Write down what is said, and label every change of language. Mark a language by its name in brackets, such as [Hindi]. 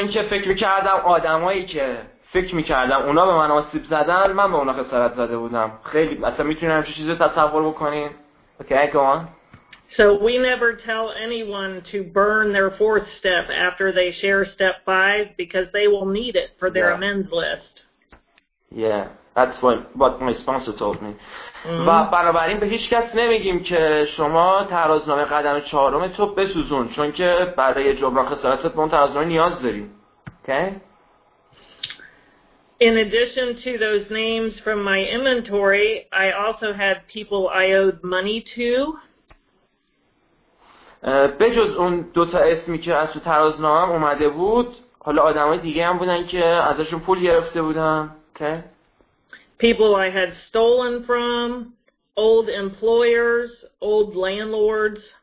[Persian] فکر می‌کردم آدمایی که فکر می‌کردم اونا به من آسیب زدن، من به اونا خسارت زده بودم. خیلی مثلا می‌تونم چه چیزی تصور بکنین؟ [English] Okay, go on. So we never tell anyone to burn their fourth step after they share step 5 because they will need it for their amends list. Yeah, that's what my sponsor told me. [Persian] و بنابراین به هیچ کس نمیگیم که شما ترازنامه قدم چهارم تو بسوزون، چون که برای جبران خسارتت به اون ترازنامه نیاز داریم. [English] Okay? In addition to those names from my inventory, I also had people I owed money to. [Persian] به جز اون دو تا اسمی که از تو ترازنامه هم اومده بود، حالا آدم های دیگه هم بودن که ازشون پول گرفته بودن. [English] Okay. People I had stolen from, old employers, old landlords.